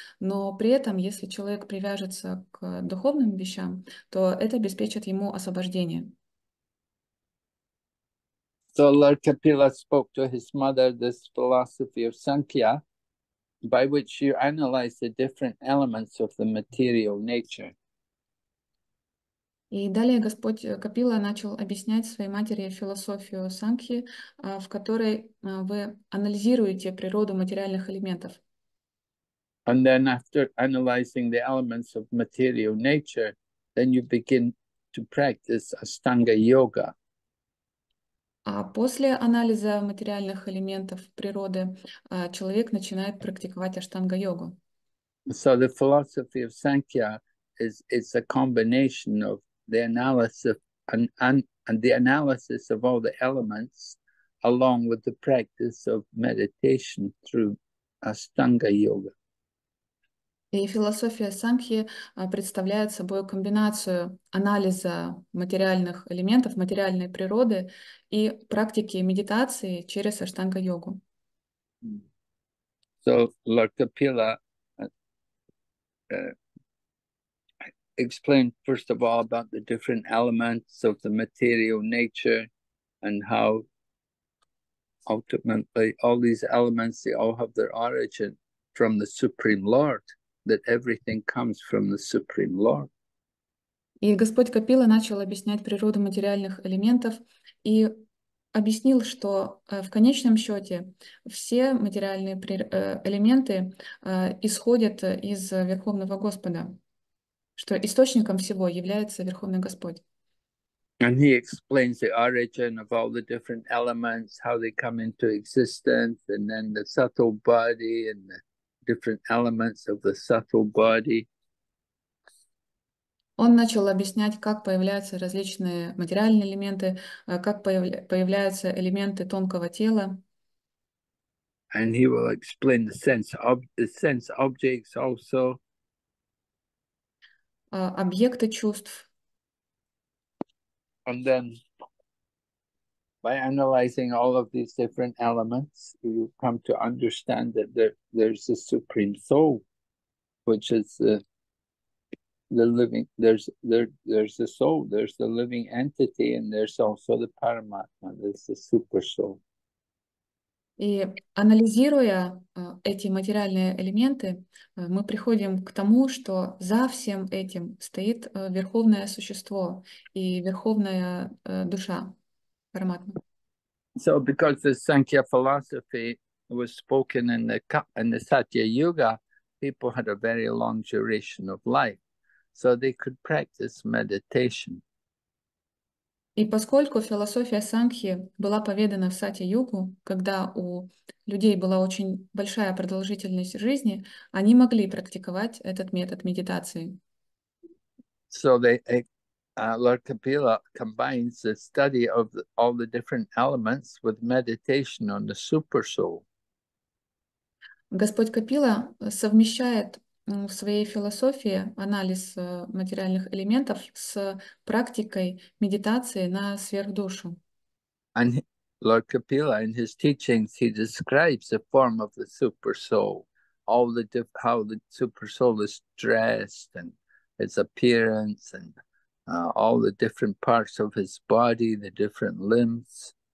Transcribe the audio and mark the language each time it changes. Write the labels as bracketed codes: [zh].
[ru] Но при этом, если человек привяжется к духовным вещам, то это обеспечит ему освобождение. [en] So Lord Kapila spoke to his mother this philosophy of Sankhya, by which you analyze the different elements of the material nature. [ru] И далее Господь Капила начал объяснять своей матери философию Санкхи, в которой вы анализируете природу материальных элементов. [en] And then after analyzing the elements of material nature, then you begin to practice Astanga Yoga. [ru] А после анализа материальных элементов природы человек начинает практиковать аштанга-йогу. [en] So the philosophy of Sankhya is it's a combination of the analysis of, and the analysis of all the elements, along with the practice of meditation through Astanga Yoga. [ru] И философия Сангхи представляет собой комбинацию анализа материальных элементов, материальной природы и практики медитации через аштанга-йогу. [en] So Lord Kapila explained first of all about the different elements of the material nature and how ultimately all these elements, they all have their origin from the Supreme Lord. That everything comes from the Supreme Lord. [ru] И Господь Капила начал объяснять природу материальных элементов и объяснил, что в конечном счете все материальные элементы исходят из Верховного Господа, что источником всего является Верховный Господь. [en] And he explains the origin of all the different elements, how they come into existence, and then the subtle body and the different elements of the subtle body. [ru] Он начал объяснять, как появляются различные материальные элементы, как появляются элементы тонкого тела. [en] And he will explain the sense objects also. [ru] Объекты чувств. [en] And then by analyzing all of these different elements, you come to understand that there's a supreme soul, which is the living, there's the soul, there's the living entity, and there's also the Paramatma, there's the super soul. [ru] И анализируя эти материальные элементы, мы приходим к тому, что за всем этим стоит верховное существо и верховная душа, Параматма. [en] So, because the Sankhya philosophy was spoken in the Satya Yuga, people had a very long duration of life, so they could practice meditation. [ru] И поскольку философия Сангхи была поведана в Сатья-югу, когда у людей была очень большая продолжительность жизни, они могли практиковать этот метод медитации. [en] So they. Lord Kapila combines the study of all the different elements with meditation on the super soul. [ru] Господь Капила совмещает в своей философии анализ материальных элементов с практикой медитации на сверхдушу. [en] And Lord Kapila, in his teachings, he describes the form of the super soul, all the diff how the super soul is dressed and its appearance and all the different parts of his body, the different limbs.